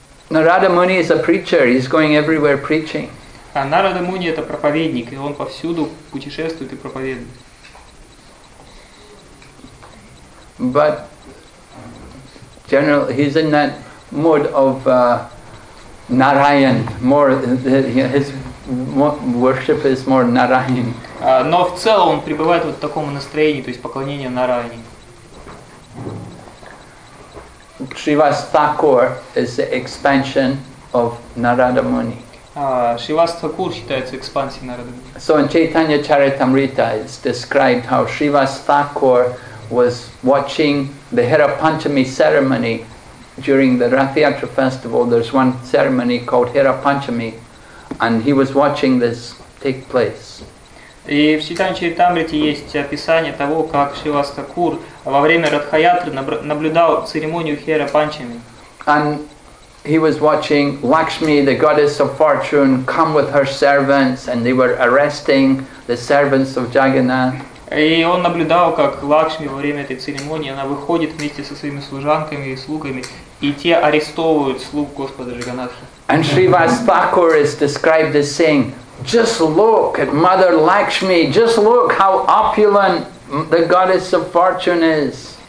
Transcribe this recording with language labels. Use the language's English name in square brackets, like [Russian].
[English] Narada Muni is a preacher. He's going everywhere preaching. [Russian] А Narada Muni это проповедник, и он повсюду путешествует и проповедует. [English] But generally, he's in that mode of Narayan. More his worship is more Narayan. [Russian] Но в целом он пребывает вот в таком настроении, то есть поклонение Нараяне. [English] Shrivastakur is the expansion of Narada Muni. [Russian] Shrivastakur считается экспансией Narada Muni. [English] So in Chaitanya Charitamrita it's described how Shrivastakur was watching the Hirapanchami ceremony during the Rathyatra festival. There's one ceremony called Hirapanchami and he was watching this take place. [Russian] И в Чайтанья Чаритамрите есть описание того, как Шривастакур во время Радхаятры наблюдал церемонию Хера Панчами. [English] And he was watching Lakshmi, the goddess of fortune, come with her servants, and they were arresting the servants of Jagannath. [Russian] И он наблюдал, как Лакшми во время этой церемонии, она выходит вместе со своими служанками и слугами, и те арестовывают слуг Господа Джаганнатхи. [English] And Шривастакур is described as saying, just look at Mother Lakshmi. Just look how opulent the goddess of fortune is.